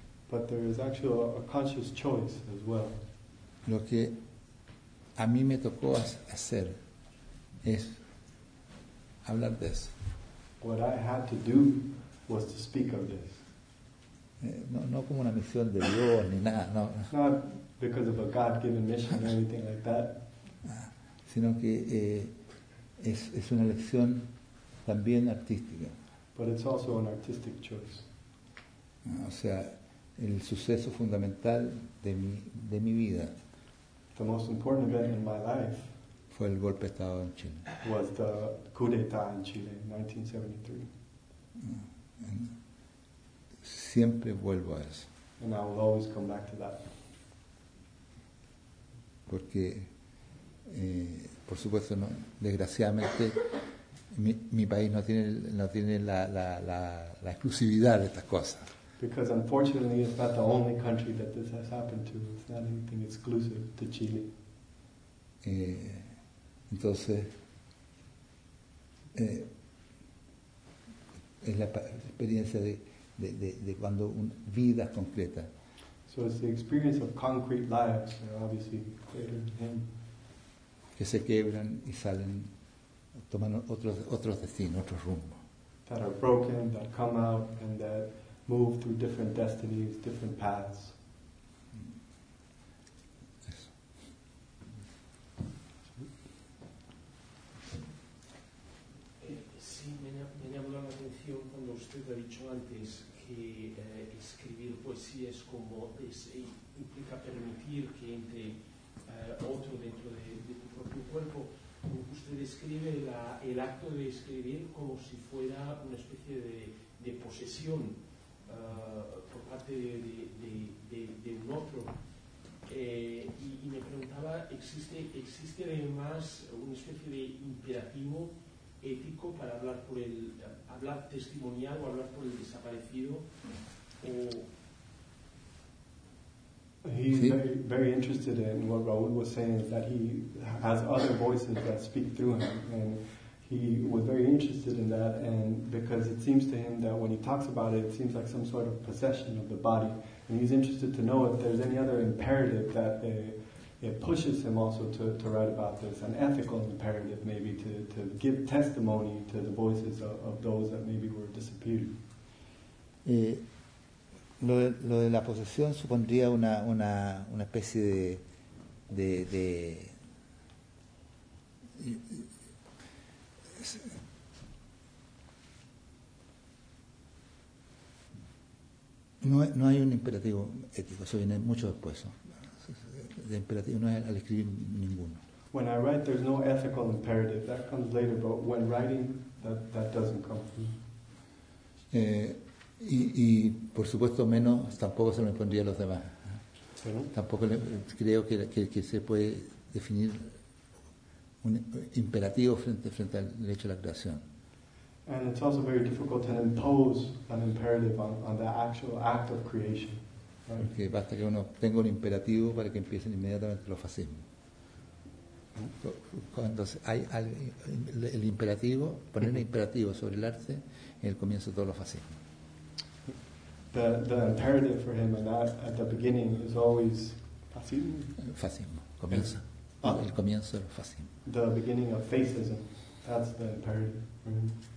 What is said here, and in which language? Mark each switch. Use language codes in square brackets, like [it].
[en] But there is actually a conscious choice as well. [es] Lo que a mí me tocó hacer es hablar de eso. [en] What I had to do was to speak of this. [es] No como una misión de Dios ni nada, no. [en] Not because of a God-given mission or anything like that. [es] Sino que es una elección también artística. [en] But it's also an artistic choice. [es] O sea, el suceso fundamental de mi vida. [en] The most important event in my life [es] fue el golpe de Estado en Chile. [en] Was the coup d'état in Chile in 1973. [es] Siempre vuelvo a eso. [en] And I will always come back to that. [es] Porque, por supuesto, no, desgraciadamente, mi país no tiene la exclusividad de estas cosas. [en] Because unfortunately, it's not the only country that this has happened to. It's not anything exclusive to Chile. [es] Entonces, es la experiencia de cuando vidas concretas. [en] So it's the experience of concrete lives, obviously, greater than him. [es] Que se quebran y salen, toman otros destinos, otros rumbos. [en] That are broken, that come out, and that move through different destinies, different paths. Yes. [es] Sí, me llamó la atención cuando usted ha dicho antes que escribir poesía es como implica permitir que entre otro dentro de tu propio cuerpo. Usted describe el acto de escribir como si fuera una especie de posesión. Por parte de un otro, y me preguntaba, ¿existe además una especie de imperativo ético para hablar testimonial o hablar por el desaparecido? O he's sí. [en] Very, very interested in what Raul was saying, that he has other voices that speak through him, and he was very interested in that, and because it seems to him that when he talks about it, it seems like some sort of possession of the body. And he's interested to know if there's any other imperative that it pushes him also to write about this, an ethical imperative maybe to give testimony to the voices of those that maybe were disappeared. [es] Lo de la posesión supondría una especie de No hay un imperativo ético, eso viene mucho después. De imperativo no es al escribir ninguno. When I write, there's no ethical imperative. That comes later, but when writing, that doesn't come from. Y por supuesto menos, tampoco se lo impondría a los demás. ¿Sí? Tampoco creo que se puede definir un imperativo frente al hecho de la creación. [en] And it's also very difficult to impose an imperative on the actual act of creation. Right? [es] Porque basta que uno tenga un imperativo para que empiecen inmediatamente los fascismos. Cuando hay el imperativo, poner un imperativo sobre el arte, en el comienzo de todos los fascismos. [en] The imperative for him at the beginning is always fascismo. [es] Fascismo, comienza. El comienzo del fascismo. [en] The beginning of fascism, that's the imperative for him.